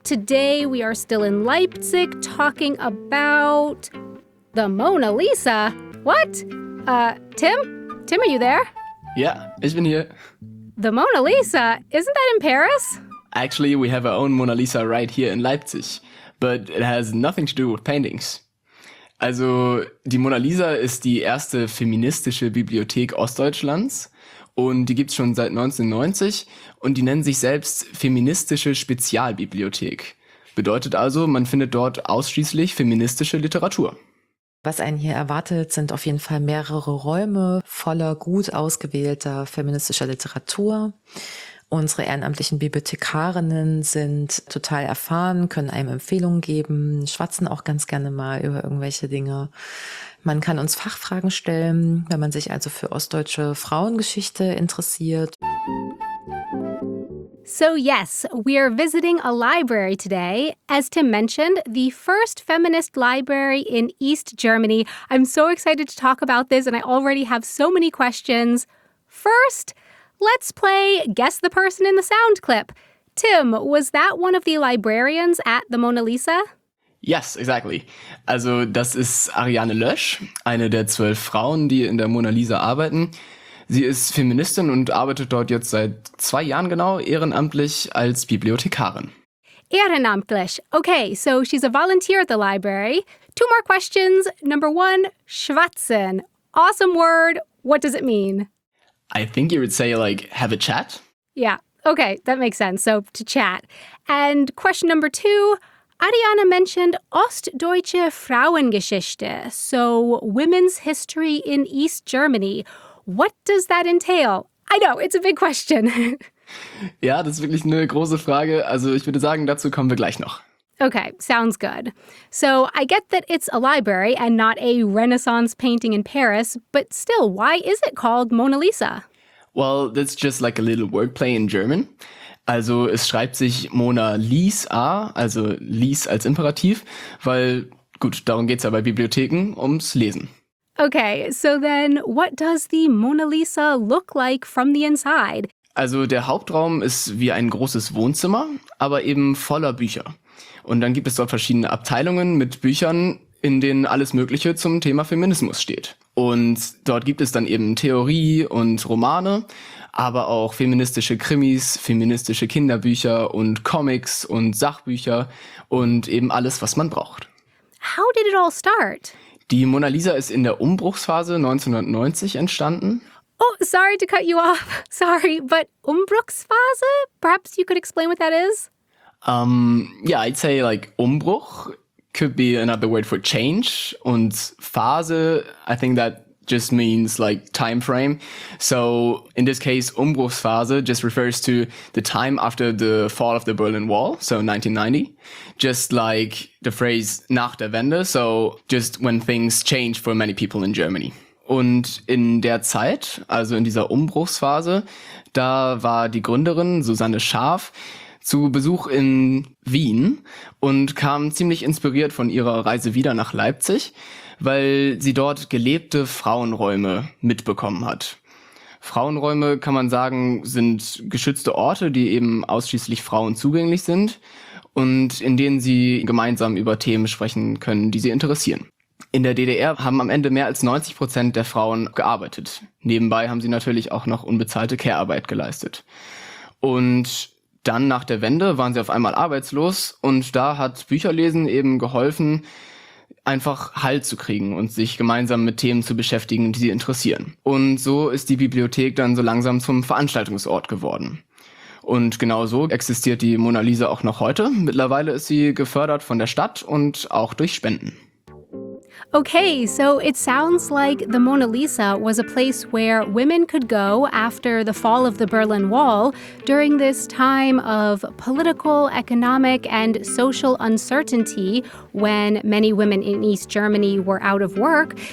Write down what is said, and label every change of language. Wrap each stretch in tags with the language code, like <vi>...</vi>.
<en>Today we are still in Leipzig talking about the Mona Lisa. What? Tim? Tim, are you there?</en> <de>Yeah, ich bin hier.</de> <en>The Mona Lisa? Isn't that in Paris? Actually, we have our own Mona Lisa right here in Leipzig, but it has nothing to do with paintings.</en> <de>Also, die Mona Lisa ist die erste feministische Bibliothek Ostdeutschlands und die gibt's schon seit 1990 und die nennen sich selbst feministische Spezialbibliothek. Bedeutet also, man findet dort ausschließlich feministische Literatur. Was einen hier erwartet, sind auf jeden Fall mehrere Räume voller gut ausgewählter feministischer Literatur. Unsere ehrenamtlichen Bibliothekarinnen sind total erfahren, können einem Empfehlungen geben, schwatzen auch ganz gerne mal über irgendwelche Dinge. Man kann uns Fachfragen stellen, wenn man sich also für ostdeutsche Frauengeschichte interessiert.</de> <en>So yes, we are visiting a library today. As Tim mentioned, the first feminist library in East Germany. I'm so excited to talk about this and I already have so many questions. First, let's play Guess the Person in the Sound Clip. Tim, was that one of the librarians at the Mona Lisa? Yes, exactly.</en> <de>Also das ist Ariane Lösch, eine der 12 Frauen, die in der Mona Lisa arbeiten. Sie ist Feministin und arbeitet dort jetzt seit 2 Jahren genau ehrenamtlich als Bibliothekarin. Ehrenamtlich.</de> <en>Okay, so she's a volunteer at the library. 2 more questions. Number 1, schwatzen. Awesome word. What does it mean? I think you would say like have a chat. Yeah, okay, that makes sense. So to chat. And question number 2, Ariane mentioned Ostdeutsche Frauengeschichte. So women's history in East Germany. What does that entail? I know, it's a big question.</en> <de>Ja, das ist wirklich eine große Frage. Also ich würde sagen, dazu kommen wir gleich noch.</de> <en>Okay, sounds good. So I get that it's a library and not a Renaissance painting in Paris, but still, why is it called Mona Lisa? Well, that's just like a little wordplay in German.</en> <de>Also es schreibt sich Mona Lisa, also Lies als Imperativ, weil, gut, darum geht's ja bei Bibliotheken, ums Lesen.</de> <en>Okay, so then what does the Mona Lisa look like from the inside?</en> <de>Also der Hauptraum ist wie ein großes Wohnzimmer, aber eben voller Bücher. Und dann gibt es dort verschiedene Abteilungen mit Büchern, in denen alles Mögliche zum Thema Feminismus steht. Und dort gibt es dann eben Theorie und Romane, aber auch feministische Krimis, feministische Kinderbücher und Comics und Sachbücher und eben alles, was man braucht.</de> <en>How did it all start?</en> <de>Die Mona Lisa ist in der Umbruchsphase 1990 entstanden.</de> <en>Oh, sorry to cut you off. Sorry, but Umbruchsphase? Perhaps you could explain what that is? Yeah, I'd say like Umbruch could be another word for change.</en> <de>Und</de> <en>Phase, I think that just means like time frame. So in this case, Umbruchsphase just refers to the time after the fall of the Berlin Wall, so 1990, just like the phrase</en> <de>nach der Wende,</de> <en>so just when things change for many people in Germany.</en> <de>Und in der Zeit, also in dieser Umbruchsphase, da war die Gründerin Susanne Schaaf zu Besuch in Wien und kam ziemlich inspiriert von ihrer Reise wieder nach Leipzig, weil sie dort gelebte Frauenräume mitbekommen hat. Frauenräume, kann man sagen, sind geschützte Orte, die eben ausschließlich Frauen zugänglich sind und in denen sie gemeinsam über Themen sprechen können, die sie interessieren. In der DDR haben am Ende mehr als 90% der Frauen gearbeitet. Nebenbei haben sie natürlich auch noch unbezahlte Care-Arbeit geleistet. Und dann nach der Wende waren sie auf einmal arbeitslos und da hat Bücherlesen eben geholfen, einfach Halt zu kriegen und sich gemeinsam mit Themen zu beschäftigen, die sie interessieren. Und so ist die Bibliothek dann so langsam zum Veranstaltungsort geworden. Und genau so existiert die Mona Lisa auch noch heute. Mittlerweile ist sie gefördert von der Stadt und auch durch Spenden.</de> <en>Okay, so it sounds like the Mona Lisa was a place where women could go after the fall of the Berlin Wall during this time of political, economic, and social uncertainty when many women in East Germany were out of work.</en>